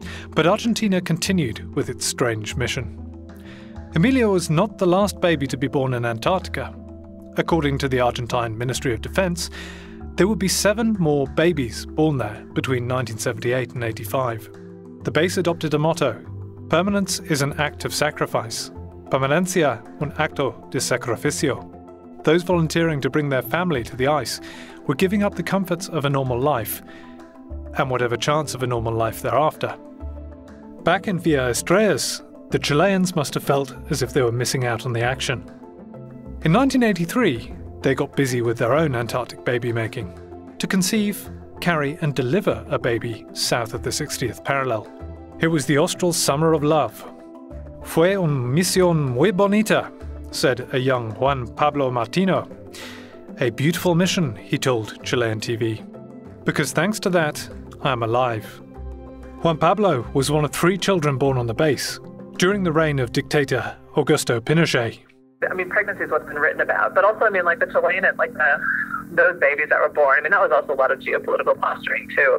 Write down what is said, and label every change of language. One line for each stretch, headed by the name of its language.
English: But Argentina continued with its strange mission. Emilio was not the last baby to be born in Antarctica. According to the Argentine Ministry of Defense, there would be 7 more babies born there between 1978 and 85. The base adopted a motto: permanence is an act of sacrifice.
Spanish: Permanencia un acto de sacrificio.
English: Those volunteering to bring their family to the ice were giving up the comforts of a normal life, and whatever chance of a normal life thereafter. Back in Villa Estrellas, the Chileans must have felt as if they were missing out on the action. In 1983, they got busy with their own Antarctic baby making, to conceive, carry and deliver a baby south of the 60th parallel. It was the austral summer of love.
Spanish: Fue un misión muy bonita,
English: said a young
Spanish: Juan Pablo Martino.
English: A beautiful mission, he told Chilean TV. Because thanks to that, I am alive. Juan Pablo was one of 3 children born on the base, during the reign of dictator Augusto Pinochet. I mean, pregnancy is what's been written about, but also, I mean, like the Chilean, like those babies that were born, I mean, that was also a lot of geopolitical posturing too.